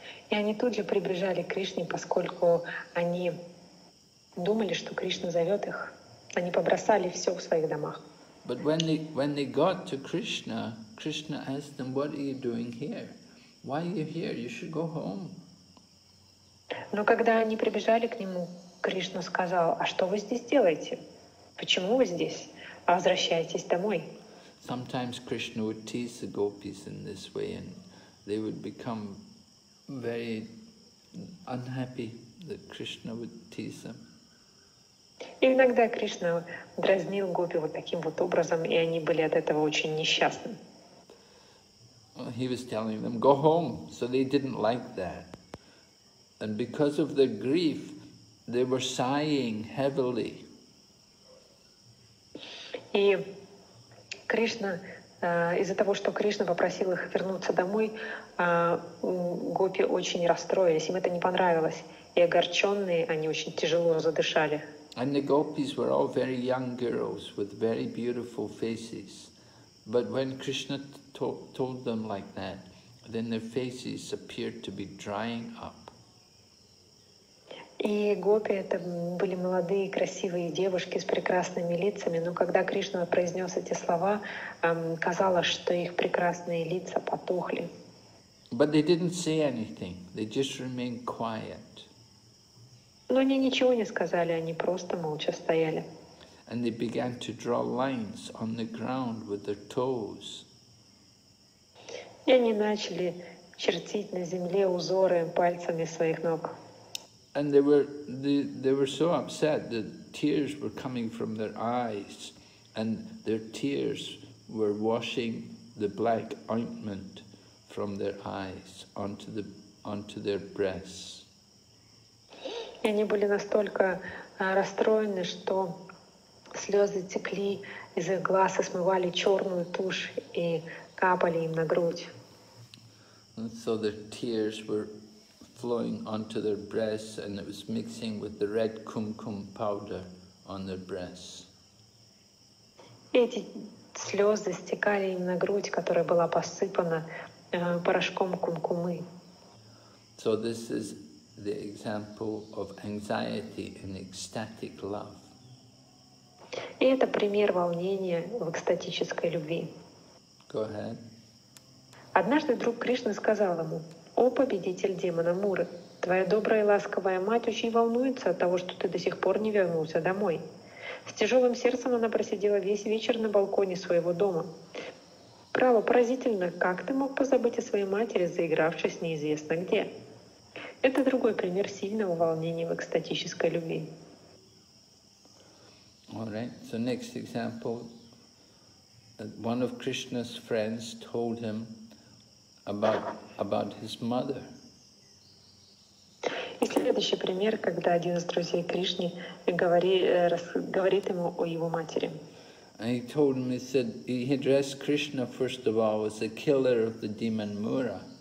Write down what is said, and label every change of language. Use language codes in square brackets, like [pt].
[ru] И они тут же прибежали к Кришне, поскольку они думали, что Кришна зовет их. Они побросали все в своих домах. [en] But when they got to Krishna, Krishna asked them, "What are you doing here? Why are you here? You should go home." [ru] Но когда они прибежали к нему, Кришна сказал, "А что вы здесь делаете? Почему вы здесь? А возвращайтесь домой." [en] Sometimes Krishna would tease the gopis in this way, and they would become very unhappy that Krishna would tease them. [ru] И иногда Кришна дразнил гопи вот таким вот образом, и они были от этого очень несчастны. [en] He was telling them, go home. So they didn't like that. And because of their grief, they were sighing heavily. [ru] И Кришна, из-за того, что Кришна попросил их вернуться домой, гопи очень расстроились, им это не понравилось. И огорченные, они очень тяжело задышали. [en] And the gopis were all very young girls with very beautiful faces. But when Krishna told them like that, then their faces appeared to be drying up. [ru] И гопи это были молодые, красивые девушки с прекрасными лицами, но когда Кришна произнес эти слова, казалось, что их прекрасные лица потухли. [en] But they didn't say anything, they just remained quiet. [ru] Но они ничего не сказали, они просто молча стояли. [en] And they began to draw lines on the ground with their toes. [ru] И они начали чертить на земле узоры пальцами своих ног. [en] And they were so upset that tears were coming from their eyes, and their tears were washing the black ointment from their eyes onto their breasts. [ru] И они были настолько расстроены, что слезы текли из их глаз и смывали черную тушь и капали им на грудь. [en] So their tears were flowing onto their breasts, and it was mixing with the red kumkum powder on their breasts. [ru] И эти слезы стекали им на грудь, которая была посыпана порошком кумкумы. [en] So this is the example of anxiety in ecstatic love. [ru] И это пример волнения в экстатической любви. [en] Go ahead. [ru] Однажды друг Кришны сказал ему, «О, победитель демона Муры, твоя добрая и ласковая мать очень волнуется от того, что ты до сих пор не вернулся домой. С тяжелым сердцем она просидела весь вечер на балконе своего дома. Право, поразительно, как ты мог позабыть о своей матери, заигравшись неизвестно где?» Это другой пример сильного волнения в экстатической любви. [en] All right. So next example. One of Krishna's friends told him about his mother. [ru] И следующий пример, когда один из друзей Кришны говорит ему о его матери. [en] And he told him, he said, he addressed Krishna first of all as the killer of the demon Mura.